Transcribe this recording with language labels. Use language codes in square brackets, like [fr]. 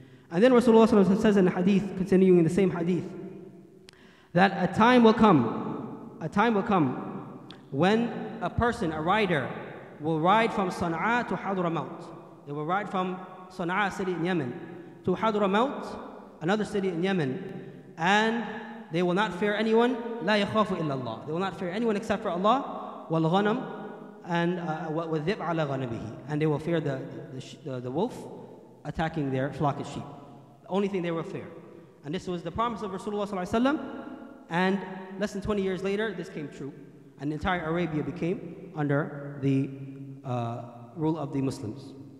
[en] And then Rasulullah says in the hadith, continuing in the same hadith, that a time will come when a person, a rider, will ride from Sana'a to Hadramaut. They will ride from Sana'a, city in Yemen, to Hadramaut, another city in Yemen, and they will not fear anyone. [ar] لا يخاف إلا الله. [en] They will not fear anyone except for Allah. [ar] والغنم and والذئب على غنمه. [en] And they will fear the wolf attacking their flock of sheep. The only thing they will fear. And this was the promise of Rasulullah sallallahu alaihi wasallam. And less than 20 years later, this came true. And the entire Arabia became under the rule of the Muslims.